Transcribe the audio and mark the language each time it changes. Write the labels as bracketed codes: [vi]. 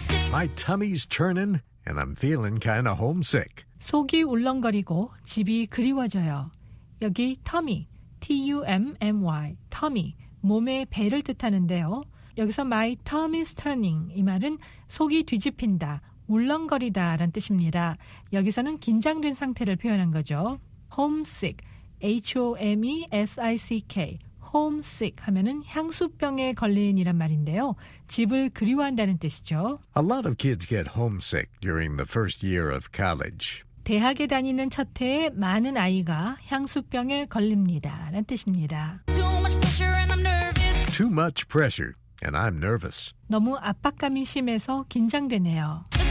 [en] My tummy's turning and I'm feeling kind of homesick. [ko] 속이 울렁거리고 집이 그리워져요. 여기 tummy, T-U-M-M-Y, tummy, 몸의 배를 뜻하는데요. 여기서 [en] my tummy's turning, [ko] 이 말은 속이 뒤집힌다, 울렁거리다 라는 뜻입니다. 여기서는 긴장된 상태를 표현한 거죠. Homesick, H-O-M-E-S-I-C-K, homesick 하면은 향수병에 걸린이란 말인데요. 집을 그리워한다는 뜻이죠. [en] A lot of kids get homesick during the first year of college. [ko] 대학에 다니는 첫 해에 많은 아이가 향수병에 걸립니다. 라는 뜻입니다. [en] Too much pressure and I'm nervous. Too much pressure and I'm nervous. [ko] 너무 압박감이 심해서 긴장되네요.